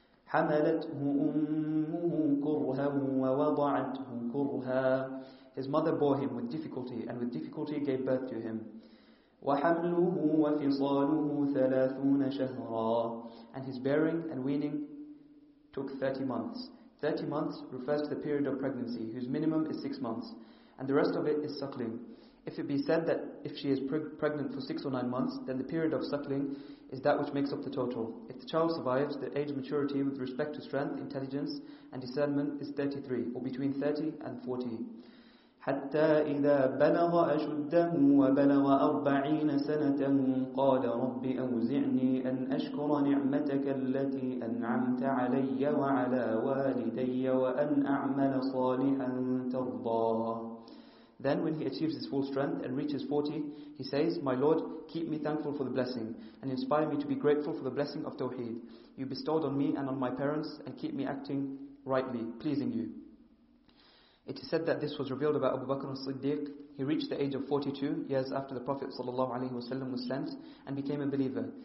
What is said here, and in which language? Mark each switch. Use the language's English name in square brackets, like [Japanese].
[Arabic] حَمَلَتْهُ أُمُّهُ كُرْهًا وَوَضَعَتْهُ كُرْهًا. [English] His mother bore him with difficulty, and with difficulty gave birth to him. [Arabic] وَحَمْلُهُ وَفِصَالُهُ 30 شَهْرًا. [English] And his bearing and weaning took 30 months. 30 months refers to the period of pregnancy, whose minimum is 6 months, and the rest of it is suckling. If it be said that if she is pregnant for 6 or 9 months, then the period of suckling is that which makes up the total. If the child survives, the age of maturity with respect to strength, intelligence, and discernment is 33, or between 30 and 40. [Arabic] حتى إذا بلغ أشده وبلغ 40 سنة قال رب أوزعني أن أشكر نعمتك التي أنعمت علي وعلى والدي وأن أعمل صالحا ترضاه. [English] Then when he achieves his full strength and reaches 40, he says, My Lord, keep me thankful for the blessing and inspire me to be grateful for the blessing of Tawheed. You bestowed on me and on my parents and keep me acting rightly, pleasing you. It is said that this was revealed about Abu Bakr al-Siddiq. He reached the age of 42 years after the Prophet ﷺ was sent and became a believer.